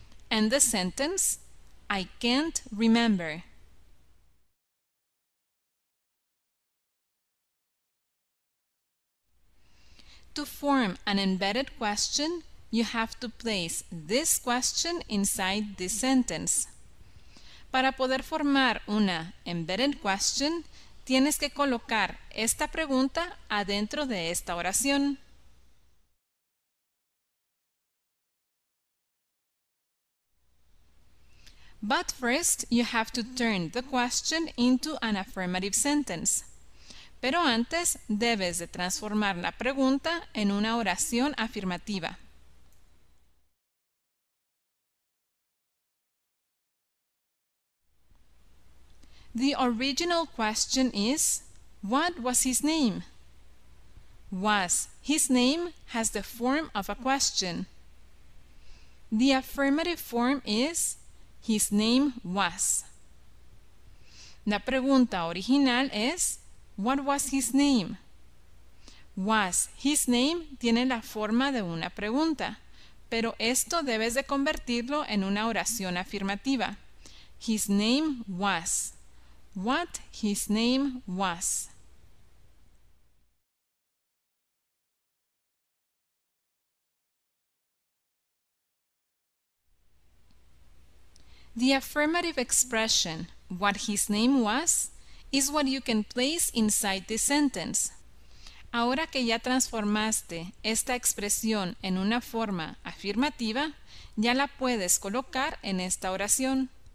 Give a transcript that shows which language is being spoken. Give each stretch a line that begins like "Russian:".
English: And the sentence, I can't remember. To form an embedded question, you have to place this question inside this sentence.
Spanish: Para poder formar una embedded question, tienes que colocar esta pregunta adentro de esta oración.
English: But first, you have to turn the question into an affirmative sentence.
Spanish: Pero antes debes de transformar la pregunta en una oración afirmativa.
English: The original question is, what was his name? Was his name has the form of a question. The affirmative form is, his name was.
Spanish: La pregunta original es,
English: what was his name? Was his name
Spanish: tiene la forma de una pregunta, pero esto debes de convertirlo en una oración afirmativa.
English: His name was. What his name was. The affirmative expression, what his name was, is what you can place inside this sentence.
Spanish: Ahora que ya transformaste esta expresión en una forma afirmativa, ya la puedes colocar en esta oración.